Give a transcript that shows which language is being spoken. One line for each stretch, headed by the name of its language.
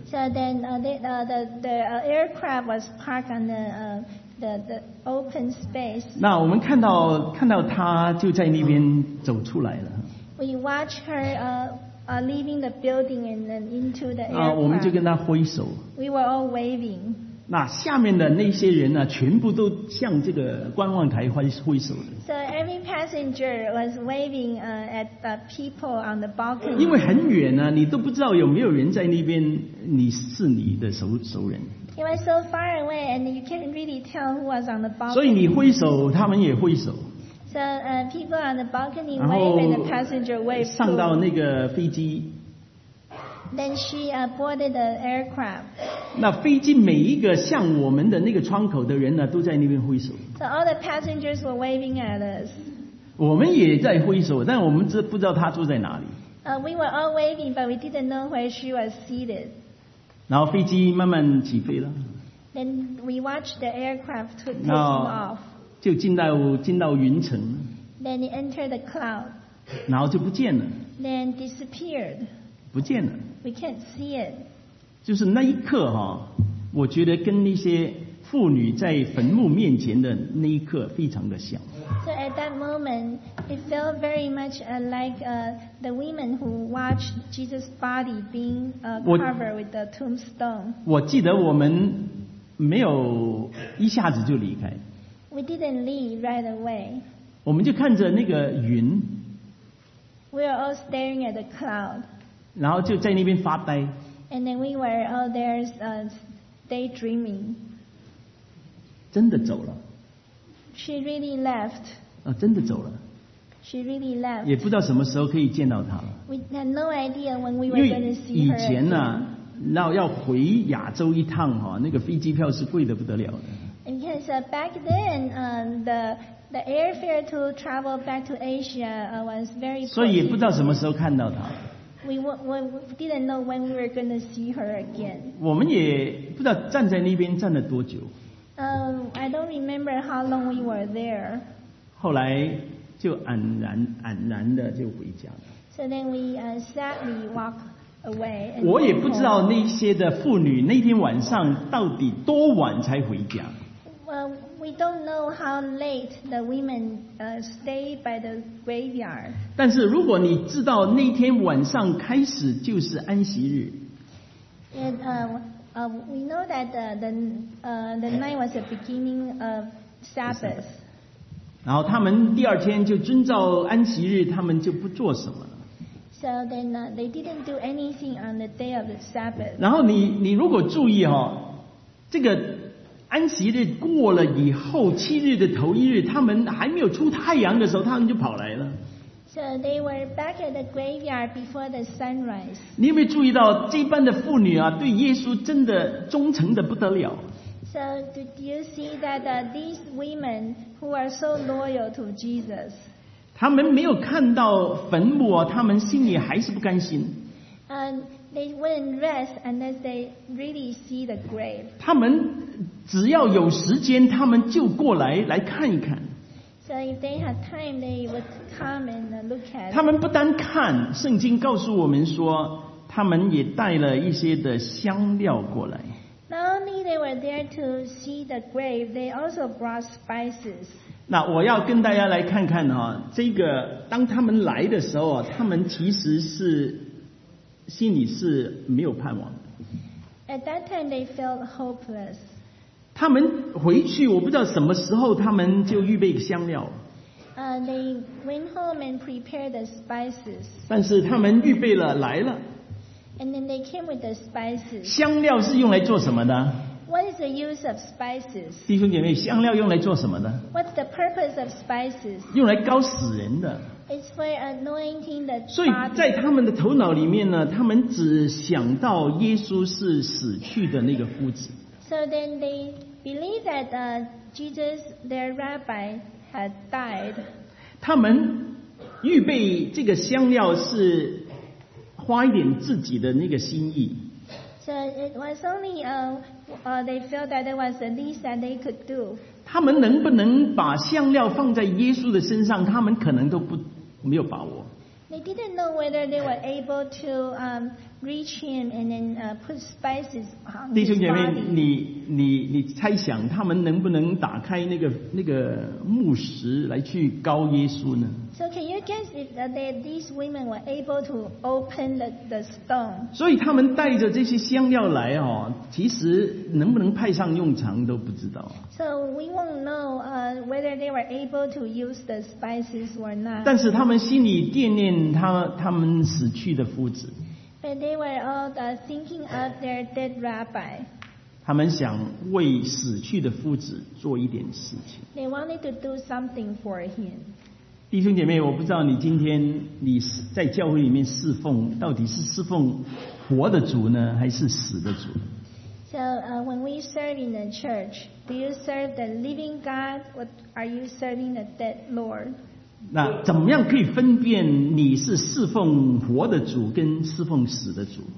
English: So then the aircraft was parked on the open space.
Chinese: 那我们看到他就在那边走出来了。
English: We watch her leaving the building and then into the airport.
Chinese: 我们就跟他挥手。
English: We were all waving.
Chinese: 那下面的那些人呢、啊，全部都向这个观望台挥手的。
English: So every passenger was waving at the people on the balcony.
Chinese: 因为很远啊，你都不知道有没有人在那边，你是你的熟人。
English: It was so far away, and you can't really tell who was on the balcony.
Chinese: 所以你挥手，他们也挥手。
English: So people on the balcony wave and the passenger wave.
Chinese: 上到那个飞机。
English: Then she boarded the aircraft.
Chinese: 那飞机每一个向我们的那个窗口的人呢，都在那边挥手。
English: So all the passengers were waving at us.
Chinese: 我们也在挥手，但我们不知道她坐在哪里。
English: We were all waving, but we didn't know where she was seated.
Chinese: 然后飞机慢慢起飞了。
English: Then we watched the aircraft taking off.
Chinese: 就进到云层
English: ，then it entered the cloud，
Chinese: 然后就不见了
English: ，then disappeared，
Chinese: 不见了
English: ，we can't see it，
Chinese: 就是那一刻哈，我觉得跟那些妇女在坟墓面前的那一刻非常的像。
English: So at that moment, it felt very much like the women who watched Jesus' body being covered with the tombstone.
Chinese: 我记得我们没有一下子就离开。
English: We didn't leave right away.
Chinese: 我们就看着那个云。
English: We were all staring at the cloud.
Chinese: 然后就在那边发呆。
English: And then we were all there daydreaming.
Chinese: 真的走了。
English: She really left.
Chinese: 啊，真的走了。
English: She really left.
Chinese: 也不知道什么时候可以见到她了。
English: We had no idea when we were going to see her.
Chinese: 以前呢，那要回亚洲一趟哈，那个飞机票是贵得不得了的。
English: Because back then, the airfare to travel back to Asia was very.
Chinese: 所以也不知道什么时候看到她。
English: We didn't know when we were going to see her again.
Chinese: 我们也不知道站在那边站了多久。
English: I don't remember how long we were there.
Chinese: 后来就黯然的就回家了。
English: So then we sadly walked away.
Chinese: 我也不知道那些的妇女那天晚上到底多晚才回家。
English: Well, we don't know how late the women stay by the graveyard.
Chinese: 但是如果你知道那天晚上开始就是安息日。
English: We know that the night was the beginning of Sabbath.
Chinese: 然后他们第二天就遵照安息日，他们就不做什么了。
English: So then they didn't do anything on the day of the Sabbath.
Chinese: 然后你如果注意哈，这个安息日过了以后，七日的头一日，他们还没有出太阳的时候，他们就跑来了。
English: So they were back at the graveyard before the sunrise.
Chinese: 你有没有注意到这班的妇女啊，对耶稣真的忠诚的不得了。
English: So did you see that these women who are so loyal to Jesus?
Chinese: 他们没有看到坟墓啊，他们心里还是不甘心。
English: They wouldn't rest unless they really see the grave.
Chinese: 他们只要有时间，他们就过来看一看。
English: So if they had time, they would come and look at.
Chinese: 他们不单看，圣经告诉我们说，他们也带了一些的香料过来。
English: Not only they were there to see the grave, they also brought spices.
Chinese: 那我要跟大家来看看哈，这个当他们来的时候，他们其实是心里是没有盼望的。
English: At that time, they felt hopeless.
Chinese: 他们回去，我不知道什么时候他们就预备香料。
English: They went home and prepared the spices.
Chinese: 但是他们预备了来了。
English: And then they came with the spices.
Chinese: 香料是用来做什么的？
English: What is the use of spices?
Chinese: 弟兄姐妹，香料用来做什么的？
English: What's the purpose of spices?
Chinese: 用来膏死人的。
English: It's for anointing the body.
Chinese: 所以在他们的头脑里面呢，他们只想到耶稣是死去的那个夫子。
English: So then they believe that Jesus, their rabbi, had died.
Chinese: 他们预备这个香料是花一点自己的那个心意。
English: So it was only they felt that it was the least that they could do.
Chinese: 他们能不能把香料放在耶稣的身上，他们可能都不没有把握。
English: They didn't know whether they were able to reach him and then put spices on his body.
Chinese: 弟兄姐妹，你猜想他们能不能打开那个墓石来去膏耶稣呢？
English: So can you guess if these women were able to open the stone?
Chinese: 所以他们带着这些香料来哦，其实能不能派上用场都不知道。
English: So we won't know whether they were able to use the spices or not.
Chinese: 但是他们心里惦念他们死去的夫子。
English: But they were all thinking of their dead rabbi.
Chinese: 他们想为死去的夫子做一点事情。
English: They wanted to do something for him.
Chinese: 弟兄姐妹，我不知道你今天你在教会里面侍奉，到底是侍奉活的主呢，还是死的主？
English: So when we serve in the church, do you serve the living God or are you serving the dead Lord?
Chinese: 那怎么样可以分辨你是侍奉活的主跟侍奉死的主？